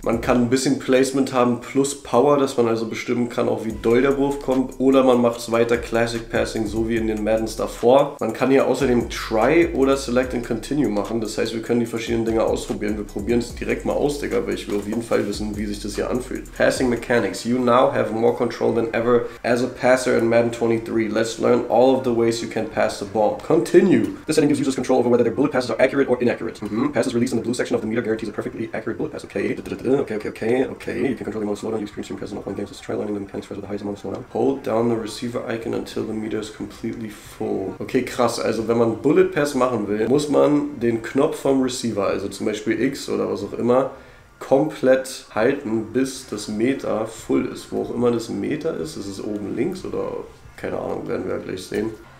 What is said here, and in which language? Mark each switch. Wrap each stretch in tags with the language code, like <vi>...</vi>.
<de>Man kann ein bisschen Placement haben plus Power, dass man also bestimmen kann, auch wie doll der Wurf kommt, oder man macht es weiter Classic Passing, so wie in den Maddens davor. Man kann hier außerdem Try oder Select and Continue machen, das heißt, wir können die verschiedenen Dinge ausprobieren. Wir probieren es direkt mal aus, Digga, weil ich will auf jeden Fall wissen, wie sich das hier anfühlt.</de> <en>Passing Mechanics. You now have more control than ever as a passer in Madden 23. Let's learn all of the ways you can pass the ball. Continue. This setting gives users control over whether their bullet passes are accurate or inaccurate. Passes released in the blue section of the meter guarantees a perfectly accurate bullet pass. Okay. You can control the amount of slowdown, use screen stream presence in offline games. Let's try learning the mechanics first with the highest amount of slowdown. Hold down the receiver icon until the meter is completely full.</en> <de>Okay, krass. Also wenn man Bullet Pass machen will, muss man den Knopf vom Receiver, also zum Beispiel X oder was auch immer, komplett halten, bis das Meter full ist. Wo auch immer das Meter ist, ist es oben links oder keine Ahnung, werden wir ja gleich sehen.</de>